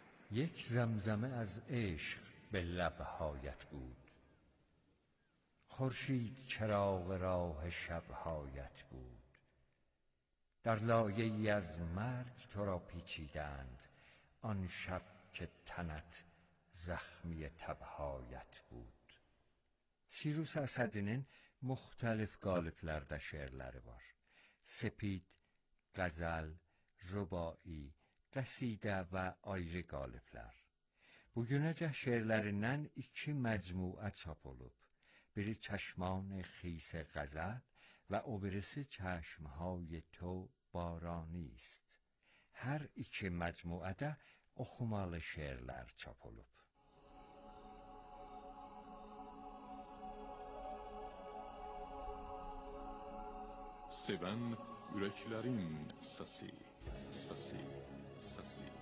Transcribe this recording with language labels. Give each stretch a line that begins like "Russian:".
Persian: یک زمزمه از عشق به لب هایت بود، خورشید چراغ راه شب هایت بود، در لایه ای از مرگ تو را پیچیدند، آن شب که تنت زخمی تبهایت بود.
Azerbaijani: سیروس اسدی‌نین مختلف قالب‌لرده شعرلری بار. سپید، غزل، رباعی، قصیده و آیری قالب‌لر. بوگونه‌چه شعرلرینن ایکی مجموعه چاپ اولوب. بیری چشمان خیس غزل و اوبریسی چشمهای تو بارانی است. هر ایکی مجموعه ده اخمال شعرلر چاپ اولوب. Sevən ürəklərin səsi, səsi, səsi.